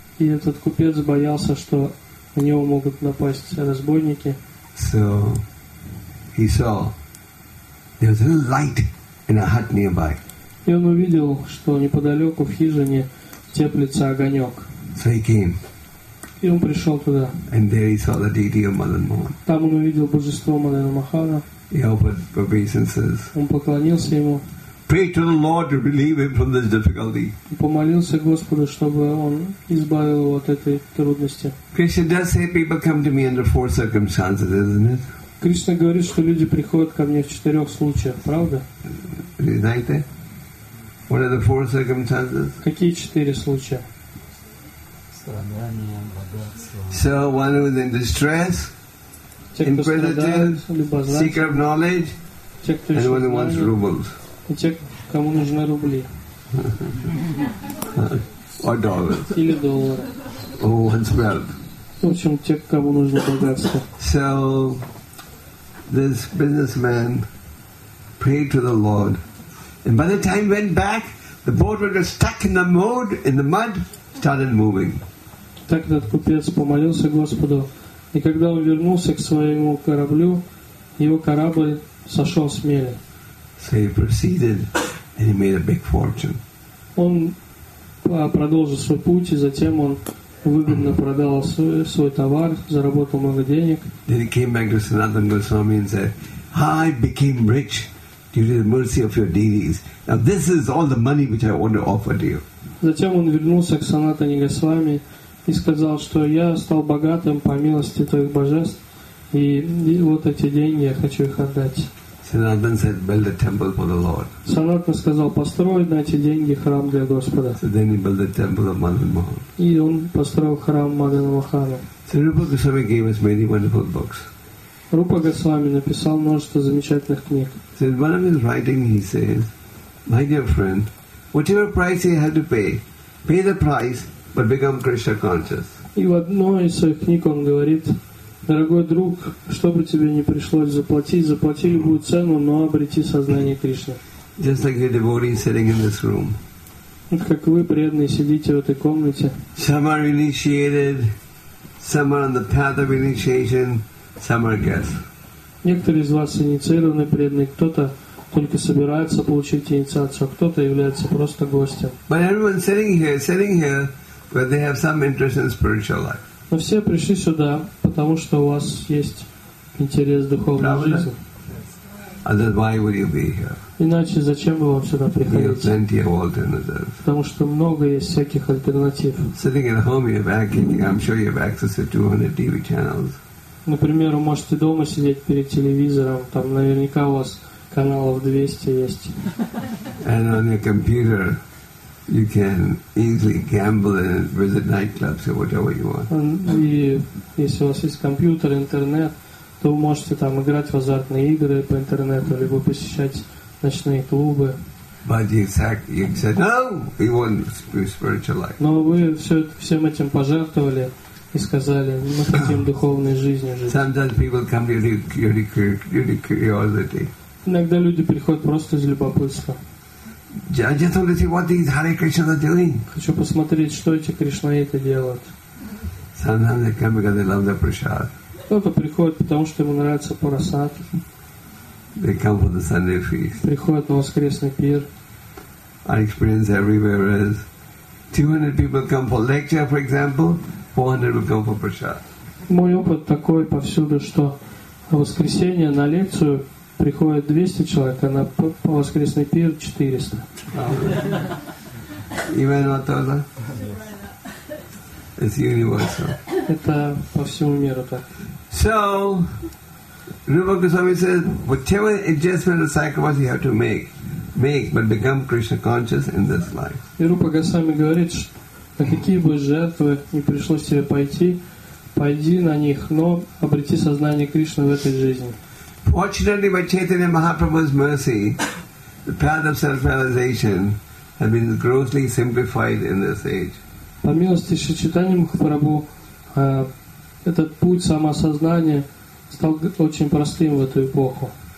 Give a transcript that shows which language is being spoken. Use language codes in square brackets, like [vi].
[ru] И этот купец боялся, что на него могут напасть разбойники. [en] So he saw there was a little light in a hut nearby. [ru] И он увидел, что неподалеку в хижине теплится огонек. [en] So he came. [ru] И он пришел туда. [en] And there he saw the deity of Madan Mohan. [ru] Там он увидел божество Мадана Махана. [en] He offered obeisances. [ru] Он поклонился ему. [en] Pray to the Lord to relieve him from this difficulty. [ru] И помолился Господу, чтобы он избавил его от этой трудности. [en] Krishna does say people come to me under four circumstances, isn't it? [ru] Кришна говорит, что люди приходят ко мне в четырех случаях, правда? Знаете? [en] What are the four circumstances? [ru] Какие четыре случая? [en] So one who is in distress, inquisitive, seeker of knowledge, and one who wants rubles. [ru] и те, кому нужны рубли. [en] Or dollars. [ru] Или доллары. [en] Who wants wealth. [ru] В общем, те, кому нужно богатство. [en] So, this businessman prayed to the Lord. And by the time he went back, the boat was just stuck in the mud, started moving. [ru] Так этот купец помолился Господу, и когда он вернулся к своему кораблю, его корабль сошел с мели. [en] So he proceeded, and he made a big fortune. [ru] Он продолжил свой путь, и затем он выгодно продал свой товар, заработал много денег. [en] Then he came back to Sanatana Goswami and said, I became rich due to the mercy of your deities. Now this is all the money which I want to offer to you. [ru] Затем он вернулся к Санатане Госвами и сказал, что я стал богатым по милости твоих божеств, и вот эти деньги я хочу их отдать. [en] Sanatana said, build a temple for the Lord. [ru] Санатана сказал, построй на эти деньги храм для Господа. [en] So then he built a temple of Madan Mohan. [ru] И он построил храм Мадана Махана. [en] So Rupa Goswami gave us many wonderful books. [ru] Рупа Госвами написал множество замечательных книг. [en] So in one of his writing he says, my dear friend, whatever price you have to pay, pay the price, but become Krishna conscious. [ru] И в одной из своих книг он говорит, дорогой друг, что бы тебе ни пришлось заплатить, заплати любую цену, но обрети сознание Кришны. [en] Just like the devotee sitting in this room. [ru] Как вы, преданные, сидите в этой комнате. [en] Some are initiated, some are on the path of initiation, some are guests. [ru] Некоторые из вас инициированы, преданные, кто-то только собирается получить инициацию, а кто-то является просто гостем. [en] But everyone sitting here, but they have some interest in spiritual life. [ru] Но все пришли сюда, потому что у вас есть интерес в духовной жизни. [en] Otherwise, why would you be here? [ru] Иначе зачем бы вам сюда приходить? [en] You have plenty of alternatives. [ru] Потому что много есть всяких альтернатив. [en] Sitting at home, you have access. I'm sure you have access to 200 TV channels. [ru] Например, вы можете дома сидеть перед телевизором, там наверняка у вас каналов 200 есть. [en] And on your computer, you can easily gamble and visit nightclubs or whatever you want. [ru] И если у вас есть компьютер, интернет, то вы можете там играть в азартные игры по интернету, либо посещать ночные клубы. [en] But you said, no, we want spiritual life. [ru] Но вы всем этим пожертвовали и сказали, мы хотим духовной жизни жить. [en] Sometimes people come due to curiosity. [ru] Иногда люди приходят просто из любопытства. [en] I just want to see what these Hare Krishnas are doing. [ru] Хочу посмотреть, что эти Кришнаиты делают. [en] Sometimes they come because they love the prasad. [ru] Кто-то приходит, потому что ему нравится парасад. [en] They come for the Sunday feast. [ru] Приходят на воскресный пир. [en] Our experience everywhere is 200 people come for lecture, for example, 400 will come for prasad. [ru] Мой опыт такой повсюду, что в воскресенье на лекцию приходит 200 человек, а на воскресный пир 400. [en] Ивановна? It's universal. [ru] Это по всему миру так. [en] So, Rupa Goswami says, whatever adjustment or sacrifice you have to make, but become Krishna conscious in this life. [ru] И Рупа Госвами говорит, на какие бы жертвы не пришлось тебе пойти, пойди на них, но обрети сознание Кришны в этой жизни. [en] Fortunately, by Chaitanya Mahaprabhu's mercy, the path of self-realization has been grossly simplified in this age. [ru] По милости Шри Чайтаньи Махапрабху, этот путь самоосознания стал очень простым в эту эпоху.